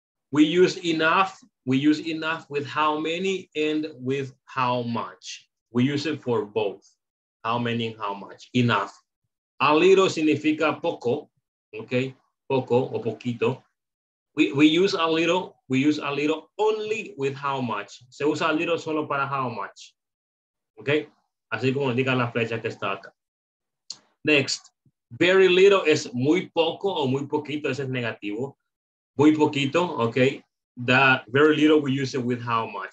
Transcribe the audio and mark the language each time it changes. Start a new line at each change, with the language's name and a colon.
English: We use enough with how many and with how much. We use it for both, how many and how much. Enough.
Spanish: A little significa poco, okay? Poco o poquito.
English: We use a little only with how much.
Spanish: Se usa a little solo para how much. Okay? Así como indica la flecha que está acá. Next, very little es muy poco o muy poquito, ese es negativo. Muy poquito, okay?
English: That very little we use it with how much.